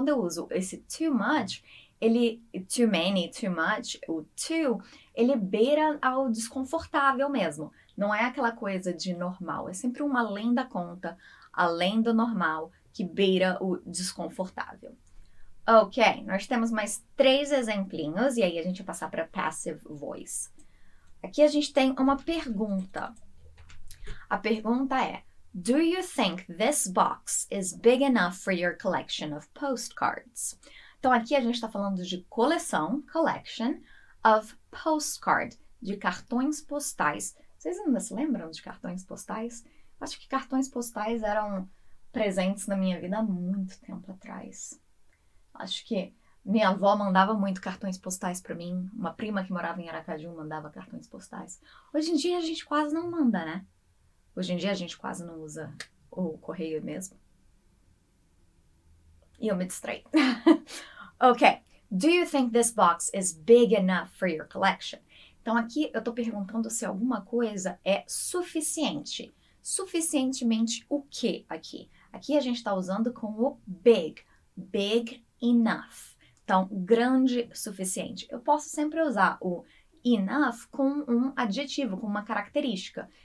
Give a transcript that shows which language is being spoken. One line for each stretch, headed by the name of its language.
Portuguese: Quando eu uso esse
English: too much, ele too many, too much, o too, ele beira ao desconfortável mesmo.
Portuguese: Não é aquela coisa de normal, é sempre um além da conta, além do normal, que beira o desconfortável. Ok, nós temos mais três exemplinhos e aí a gente vai passar para passive voice. Aqui a gente tem uma pergunta. A pergunta é:
English: do you think this box is big enough for your collection of postcards?
Portuguese: Então aqui a gente está falando de coleção,
English: collection of postcard,
Portuguese: de cartões postais. Vocês ainda se lembram de cartões postais? Acho que cartões postais eram presentes na minha vida há muito tempo atrás. Acho que minha avó mandava muito cartões postais para mim, uma prima que morava em Aracaju mandava cartões postais. Hoje em dia a gente quase não manda, né? Hoje em dia a gente quase não usa o correio mesmo. E eu me distraí. Ok.
English: Do you think this box is big enough for your collection?
Portuguese: Então aqui eu estou perguntando se alguma coisa é suficiente. Suficientemente o quê aqui? Aqui a gente está usando com o big.
English: Big enough.
Portuguese: Então, grande suficiente. Eu posso sempre usar o enough com um adjetivo, com uma característica.